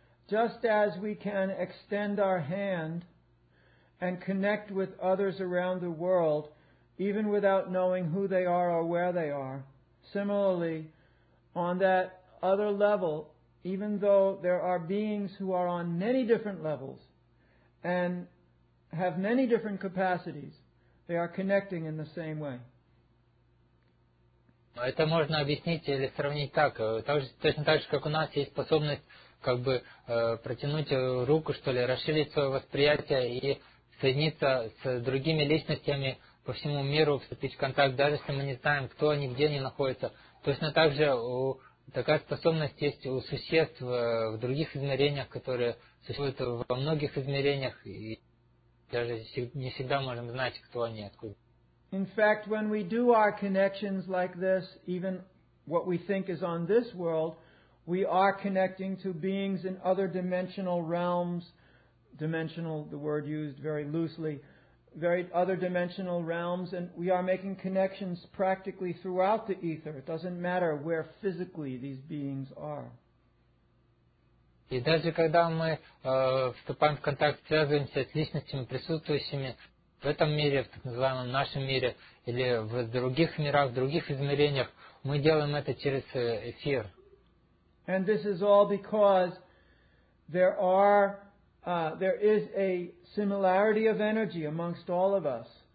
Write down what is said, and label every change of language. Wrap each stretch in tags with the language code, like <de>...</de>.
<en>Just as we can extend our hand and connect with others around the world, even without knowing who they are or where they are. Similarly, on that other level, even though there are beings who are on many different levels and have many different capacities, they are connecting in the same way.</en> <ru>Это можно объяснить или сравнить так. Точно так же, как у нас есть способность как бы протянуть руку, что ли, расширить свое восприятие и соединиться с другими личностями по всему миру, вступить в контакт, даже если мы не знаем, кто они, где они находятся. Точно так же такая способность есть у существ в других измерениях, которые существуют во многих измерениях, и даже не всегда можем знать, кто они, откуда.</ru> <en>In fact, when we do our connections like this, even what we think is on this world, we are connecting to beings in other dimensional realms. Dimensional, the word used very loosely. Very other dimensional realms, and we are making connections practically throughout the ether. It doesn't matter where physically these beings are.</en> <ru>И даже когда мы вступаем в контакт, связываемся с личностями, присутствующими в этом мире, в так называемом нашем мире, или в других мирах, в других измерениях, мы делаем это через эфир.</ru> <en>And this is all because there are there is a similarity of energy amongst all of us.</en>